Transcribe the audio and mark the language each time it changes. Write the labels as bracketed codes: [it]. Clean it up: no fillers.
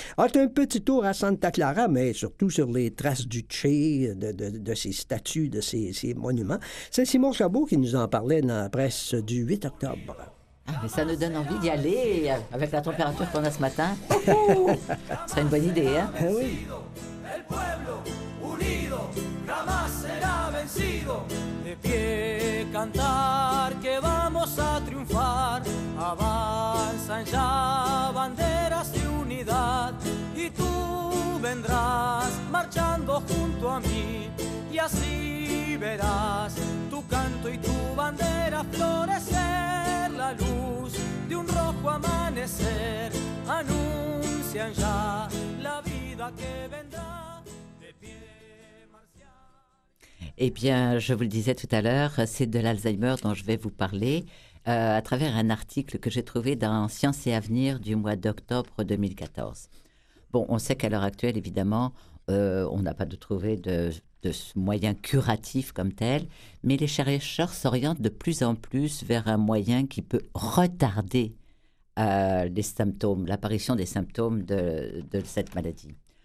[fr] Alors, un petit tour à Santa Clara, mais surtout sur les traces du Che, de ses statues, de ses monuments. C'est Simon Chabot qui nous en parlait dans la presse du 8 octobre. Ah, mais ça nous donne envie d'y aller avec la température qu'on a ce matin. Ce serait une bonne idée, hein? Eh oui. [es] El pueblo unido jamás será vencido. De pie cantar que vamos a triunfar. Avanzan ya banderas de unidad. Y tú vendrás marchando junto a mí. Y así verás tu canto y tu bandera florecer. La luz de un rojo amanecer anuncian ya la vida que vendrá. De pie marcial. [fr] Eh bien, je vous le disais tout à l'heure, c'est de l'Alzheimer dont je vais vous parler à travers un article que j'ai trouvé dans Science et Avenir du mois d'octobre 2014. Bon, on sait qu'à l'heure actuelle, évidemment, on n'a pas de trouver de moyens curatifs comme tel, mais les chercheurs s'orientent de plus en plus vers un moyen qui peut retarder les symptômes, l'apparition des symptômes de cette maladie.